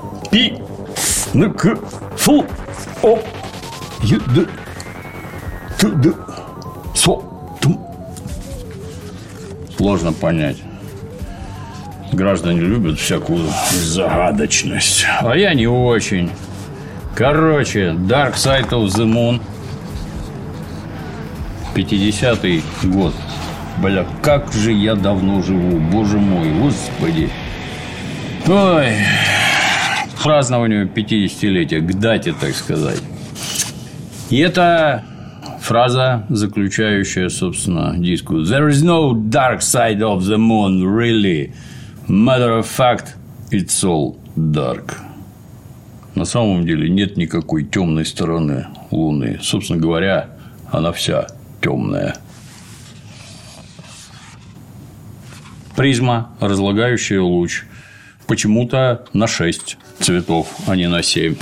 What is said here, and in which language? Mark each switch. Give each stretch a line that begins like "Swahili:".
Russian: Пи. Ну к. Фу. О. Е. Д. Т. Д. Со. Сложно понять. Граждане любят всякую загадочность. А я не очень. Короче, Dark Side of the Moon. 50-й год. Бля, как же я давно живу. Боже мой, господи. Ой. К празднованию 50-летия. К дате, так сказать. И это... фраза, заключающая, собственно, диску.
English: There is no dark side of the moon, really. Matter of fact, it's all dark.
Russian: На самом деле нет никакой темной стороны Луны. Собственно говоря, она вся темная. Призма, разлагающая луч. Почему-то на 6 цветов, а не на 7.